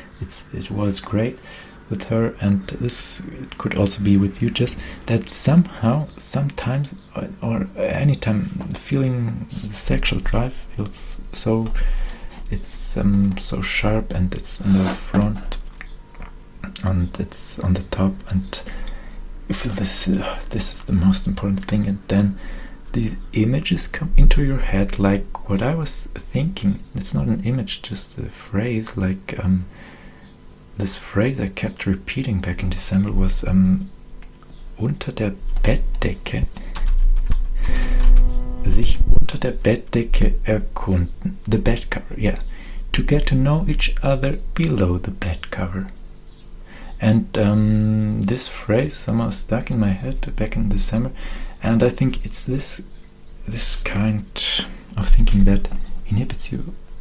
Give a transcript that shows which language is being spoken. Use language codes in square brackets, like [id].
[en] It was great with her, and this it could also be with you, just that somehow, sometimes or anytime, feeling the sexual drive feels so, it's so sharp, and it's in the front and it's on the top, and you feel this this is the most important thing, and then these images come into your head, like what I was thinking. It's not an image, just a phrase, like this phrase I kept repeating back in December was [de] unter der Bettdecke sich unter der Bettdecke erkunden. [en] The bed cover, yeah. To get to know each other below the bed cover. And this phrase somehow stuck in my head back in December, and I think it's this kind of thinking that inhibits you.